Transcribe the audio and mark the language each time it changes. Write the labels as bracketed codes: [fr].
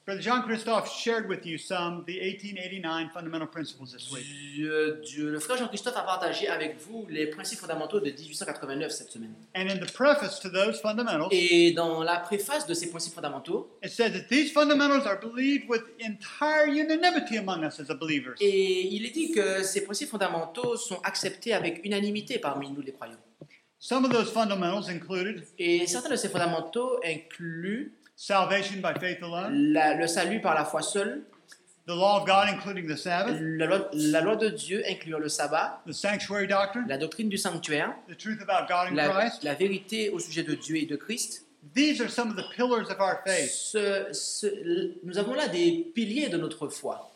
[en] Brother Jean-Christophe shared with you some the 1889 fundamental principles this week. [fr] Le frère Jean-Christophe a partagé avec vous les principes fondamentaux de 1889 cette semaine. [en] And in the preface to those fundamentals, [fr] et dans la préface de ces principes fondamentaux, [en] it says that these fundamentals are believed with entire unanimity among us as believers. [fr] Et il est dit que ces principes fondamentaux sont acceptés avec unanimité parmi nous les croyants. [en] Some of those fundamentals included. [fr] Et certains de ces fondamentaux incluent. [en] Salvation by faith alone. [fr] Le salut par la foi seule. [en] The law of God, including the Sabbath. [fr] La loi de Dieu, incluant le sabbat. [en] The sanctuary doctrine. [fr] La doctrine du sanctuaire. [en] The truth about God and Christ. [fr] La vérité au sujet de Dieu et de Christ. [en] These are some of the pillars of our faith. [fr] Nous avons là des piliers de notre foi.